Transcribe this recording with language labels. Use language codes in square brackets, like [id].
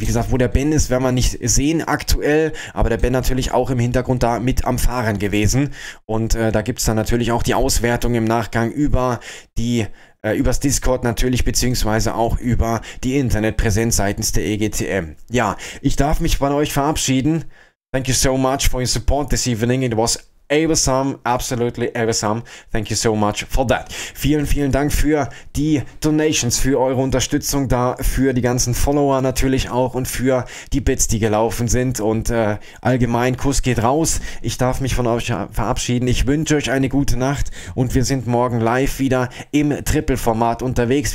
[de] Wie gesagt, wo der Ben ist, werden wir nicht sehen aktuell, aber der Ben natürlich auch im Hintergrund da mit am Fahren gewesen. Und da gibt es dann natürlich auch die Auswertung im Nachgang über die übers Discord natürlich, beziehungsweise auch über die Internetpräsenz seitens der EGTM. Ja, ich darf mich von euch verabschieden. [en] Thank you so much for your support this evening. It was awesome, absolutely awesome. Thank you so much for that. [de] Vielen, vielen Dank für die Donations, für eure Unterstützung da, für die ganzen Follower natürlich auch und für die Bits, die gelaufen sind. Und allgemein, Kuss geht raus. Ich darf mich von euch verabschieden. Ich wünsche euch eine gute Nacht und wir sind morgen live wieder im Triple-Format unterwegs.